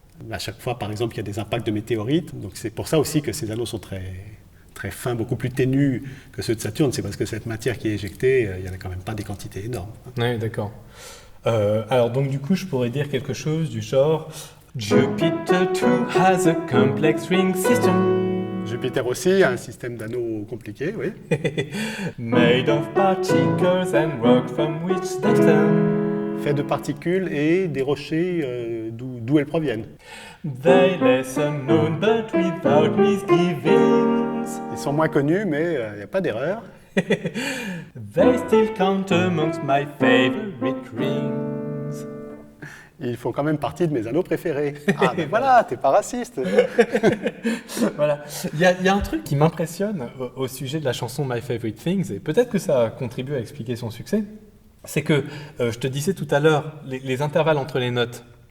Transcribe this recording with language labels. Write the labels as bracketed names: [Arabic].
[French] À chaque fois, par exemple, il y a des impacts de météorites. Donc c'est pour ça aussi que ces anneaux sont très, très fins, beaucoup plus ténus que ceux de Saturne. C'est parce que cette matière qui est éjectée, il n'y en a quand même pas des quantités énormes. Oui, d'accord. Alors donc du coup, je pourrais dire quelque chose du genre « [English] Jupiter too has a complex ring system ». [French] Jupiter aussi a un système d'anneaux compliqué, oui. [English] Made of particles and rock from which they come. [French] Fait de particules et des rochers d'où elles proviennent. [English] They less unknown but without misgivings. [French] Ils sont moins connus, mais il n'y a pas d'erreur. [English] They still count amongst my favorite rings. [French] Ils font quand même partie de mes anneaux préférés. Ah, ben voilà, t'es pas raciste. Voilà. Il y a un truc qui m'impressionne au sujet de la chanson My Favorite Things, et peut-être que ça a contribué à expliquer son succès. C'est que, je te disais tout à l'heure, les intervalles entre les notes.